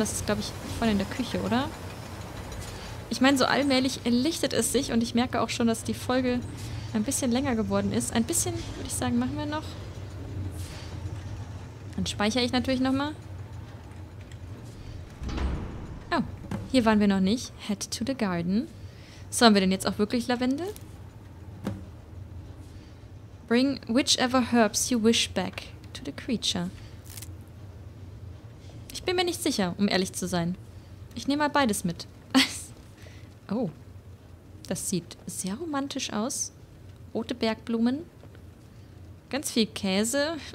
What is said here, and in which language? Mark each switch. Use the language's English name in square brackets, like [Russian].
[German] Das ist, glaube ich, voll in der Küche, oder? Ich meine, so allmählich lichtet es sich und ich merke auch schon, dass die Folge ein bisschen länger geworden ist. Ein bisschen, würde ich sagen, machen wir noch. Dann speichere ich natürlich nochmal. Oh, hier waren wir noch nicht. [English] Head to the garden. [German] So, haben wir denn jetzt auch wirklich Lavendel? [English] Bring whichever herbs you wish back to the creature. [German] Ich bin mir nicht sicher, um ehrlich zu sein. Ich nehme mal beides mit. Oh, das sieht sehr romantisch aus. Rote Bergblumen. Ganz viel Käse.